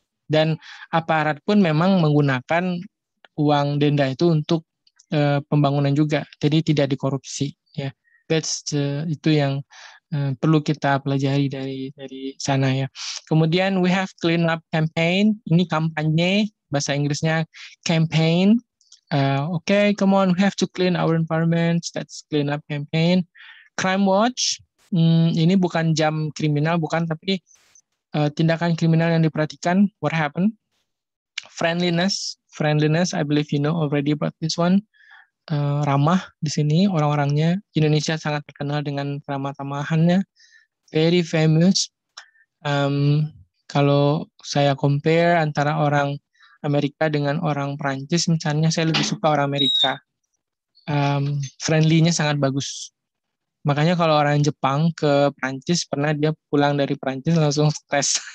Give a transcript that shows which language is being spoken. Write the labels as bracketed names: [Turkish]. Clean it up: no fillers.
[Indonesian] Dan aparat pun memang menggunakan uang denda itu untuk pembangunan juga. Jadi tidak dikorupsi. Ya, that's itu yang perlu kita pelajari dari sana ya. Kemudian [English] we have clean up campaign. [Indonesian] Ini kampanye, bahasa Inggrisnya campaign. [English] Okay, come on, we have to clean our environment. That's clean up campaign. Crime watch. [Indonesian] Ini bukan jam kriminal, bukan, tapi tindakan kriminal yang diperhatikan. [English] What happened? Friendliness. I believe you know already about this one. [Indonesian] Ramah di sini orang-orangnya. Indonesia sangat terkenal dengan ramah-tamahannya. [English] Very famous. [Indonesian] Kalau saya compare antara orang Amerika dengan orang Perancis, misalnya saya lebih suka orang Amerika. Friendly-nya sangat bagus. Makanya kalau orang Jepang ke Perancis, pernah dia pulang dari Perancis langsung stres.